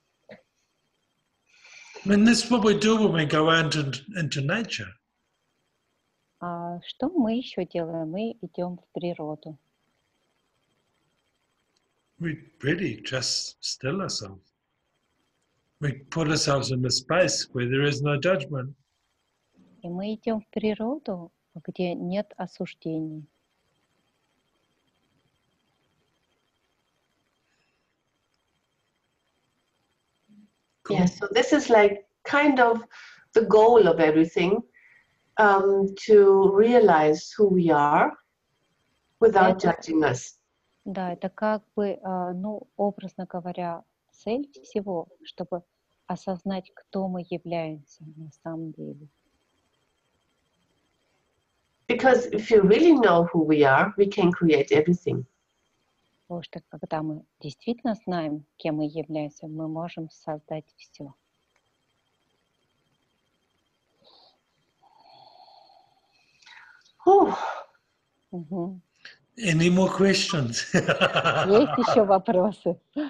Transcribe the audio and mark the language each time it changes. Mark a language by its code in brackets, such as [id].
[en] I mean, this is what we do when we go out into nature. [ru] Что мы еще делаем? Мы идем в природу. [en] We really just still ourselves. We put ourselves in a space where there is no judgment. [ru] И мы идем в природу, где нет осуждений. [en] Cool. Yeah, so this is like kind of the goal of everything, to realize who we are without judging us. [ru] Да, это как бы, ну, образно говоря, цель всего, чтобы осознать, кто мы являемся на самом деле. [en] Because if you really know who we are, we can create everything. [ru] Потому что когда мы действительно знаем, кем мы являемся, мы можем создать все. [en] Any more questions? [ru] Есть еще вопросы?